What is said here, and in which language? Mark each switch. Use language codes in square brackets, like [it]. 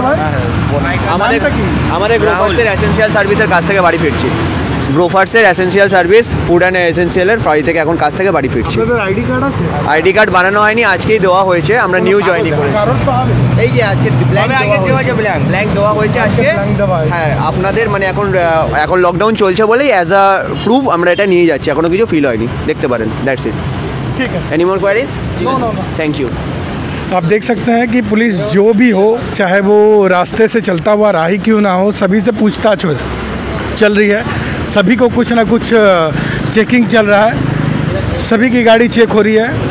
[bn] हमारे ग्रोफर्सर एसेंशियल सर्विसर কাছ থেকে বাড়ি ফিরছি। ग्रोफर्सर essential service food and essential fry থেকে এখন কাছ থেকে বাড়ি ফিরছি। আইডি কার্ড আছে? আইডি কার্ড বানানো হয়নি, আজকেই দেওয়া হয়েছে, আমরা নিউ জয়েনিং করেছি। এই যে আজকে ব্ল্যাঙ্ক দেওয়া হয়েছে আজকে। হ্যাঁ, আপনাদের মানে এখন এখন লকডাউন চলছে বলে [en] as a proof [bn] আমরা এটা নিয়ে যাচ্ছি, এখনো কিছু ফিল হয়নি, দেখতে পারেন। [en] That's it. [bn] ঠিক আছে। [en] Any more queries? No no, thank you. [hi] आप देख सकते हैं कि पुलिस जो भी हो, चाहे वो रास्ते से चलता हुआ राही क्यों ना हो, सभी से पूछताछ चल रही है, सभी को कुछ ना कुछ चेकिंग चल रहा है, सभी की गाड़ी चेक हो रही है।